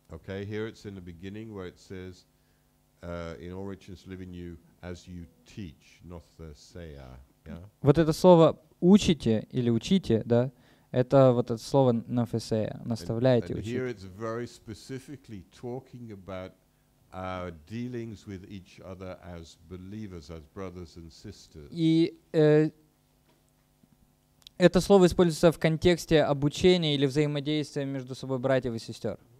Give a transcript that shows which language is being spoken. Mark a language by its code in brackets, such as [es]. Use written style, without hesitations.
[en] Okay, here it's in the beginning where it says, in all richness live in you as you teach, not the say. Yeah? [ru] Вот это слово «учите» или «учите», да? Это вот это слово «нафесея», «наставляете», «учите». [en] And here it's very specifically talking about our dealings with each other as believers, as brothers and sisters. [ru] И это слово используется в контексте обучения или взаимодействия между собой братьев и сестер.